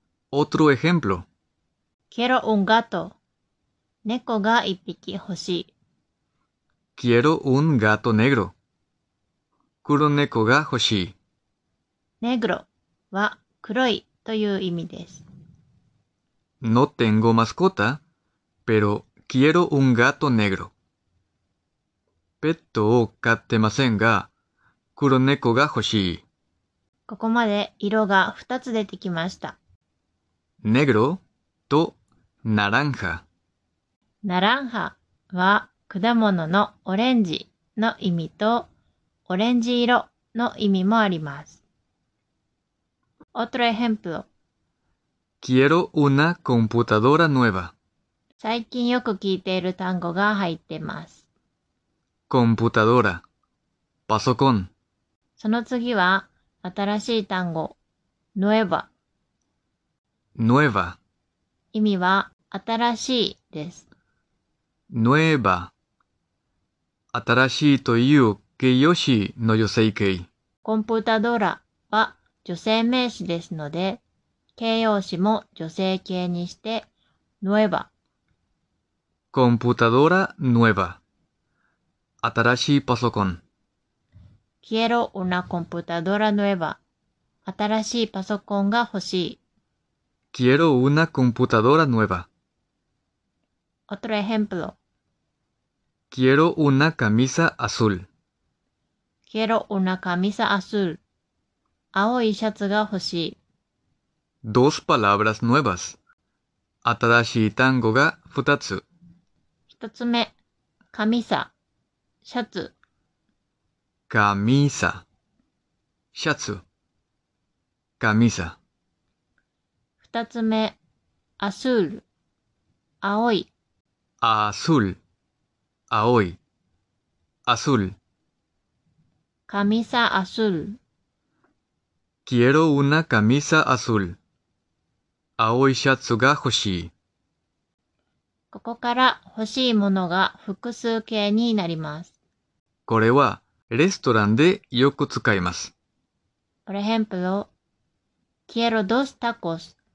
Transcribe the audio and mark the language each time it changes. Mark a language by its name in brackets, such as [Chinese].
[Spanish] Otro ejemplo. Quiero un gato. [Japanese] 猫が一匹欲しい。 [Spanish] Quiero un gato negro. [Japanese] 黒猫が欲しい。ネグロは黒いという意味です。 [Spanish] No tengo mascota, pero quiero un gato negro. [Japanese] ペットを飼ってませんが、黒猫が欲しい。ここまで色が2つ出てきました。ネグロとナランハ。ナランハは果物のオレンジの意味とオレンジ色の意味もあります。 [Spanish] Otro ejemplo. Quiero una computadora nueva. [Japanese] 最近よく聞いている単語が入っています。 computadora. パソコン。その次は新しい単語。nueva. [Spanish] nueva. [Japanese] 意味は新しいです。 [Spanish] nueva. [Japanese] 新しいという形容詞の女性形。 computadora は女性名詞ですので、形容詞も女性形にして、nueva。 [Spanish] computadora nueva。 [Japanese] 新しいパソコン。 [Spanish] quiero una computadora nueva。 [Japanese] 新しいパソコンが欲しい。 [Spanish] quiero una computadora nueva。 otro ejemplo。 quiero una camisa azul。 quiero una camisa azul。 [Japanese] 青いシャツが欲しい。 [Spanish] Dos palabras nuevas. [Japanese] 新しい単語が二つ。一つ目、カミサ、シャツ。カミサ、シャツ。カミサ。二つ目、アスール、青い。アスール、青い。アスール。カミサアスール。 [Spanish] Quiero una camisa azul. [Japanese] 青いシャツが欲しい。ここから欲しいものが複数形になります。これはレストランでよく使います。 [Spanish] Por ejemplo, quiero dos tacos.